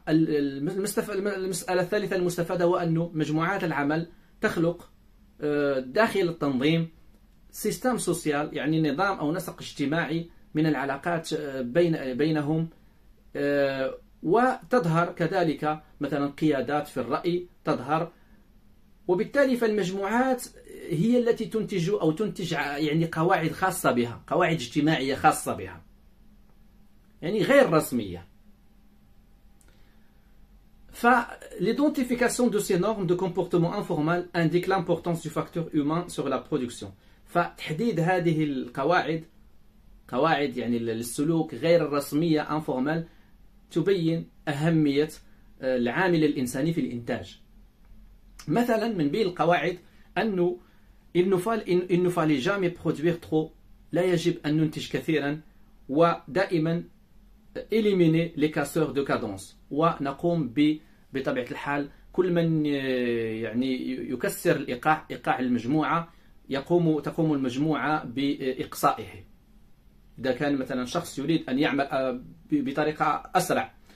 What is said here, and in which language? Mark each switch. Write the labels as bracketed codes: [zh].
[ar] فالمسألة الثالثة المستفادة وأنه مجموعات العمل تخلق داخل التنظيم سيستم سوسيال، يعني نظام أو نسق اجتماعي من العلاقات بينهم، وتظهر كذلك مثلا قيادات في الرأي تظهر، وبالتالي فالمجموعات هي التي تنتج أو تنتج يعني قواعد خاصة بها، قواعد اجتماعية خاصة بها يعني غير رسمية. [fr] فالidentification de ces normes de comportement informel indique l'importance du facteur humain sur la production. [ar] فتحديد هذه القواعد، قواعد يعني للسلوك غير الرسمية informal، تبين أهمية العامل الإنساني في الإنتاج. مثلا من بين القواعد أنه [fr] il ne fallait jamais produire trop، [ar] لا يجب أن ننتج كثيرا، ودائما [fr] éliminer les casseurs de cadence، [ar] ونقوم بطبيعة الحال كل من يعني يكسر الإيقاع، إيقاع المجموعة تقوم المجموعة بإقصائه إذا كان مثلا شخص يريد أن يعمل بطريقة أسرع.